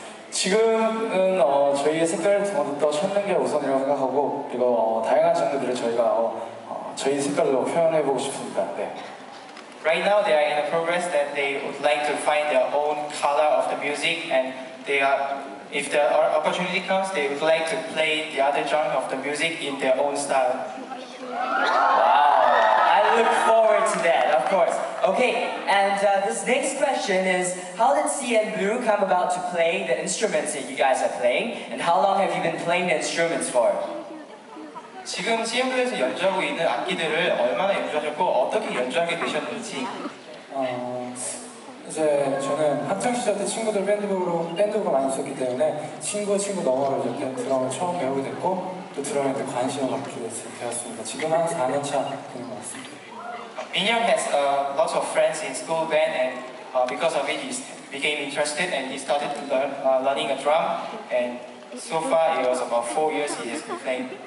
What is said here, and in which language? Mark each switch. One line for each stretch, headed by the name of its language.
Korean: 지금은 저희의 색깔을 더 찾는 게 우선이라고 생각하고 그리고 다양한 장르들을 저희가 저희 색깔로 표현해보고 싶습니다. 네.
English: Right now they are in a progress that they would like to find their own color of the music and they are if the opportunity comes they would like to play the other genre of the music in their own style. Wow, I look forward to that, of course. Okay, and this next question is, how did CNBlue come about to play the instruments that you guys are playing? And how long have you been playing the instruments for?
Korean: 지금 CNBlue에서 연주하고 있는 악기들을 얼마나 연주하셨고 어떻게 연주하게 되셨는지? 이제 저는 학창 시절 때 친구들 밴드가 많이 있었기 때문에 친구 너머로 이제 드럼을 처음 배우게 됐고 또 드럼에 대해 관심을 갖게 되었습니다. 지금 한 4년 차 되는 것 같습니다.
English: Minyoung has lots of friends in school band and because of it he became interested and he started to learn learning a drum and so far it was about 4 years he has been playing.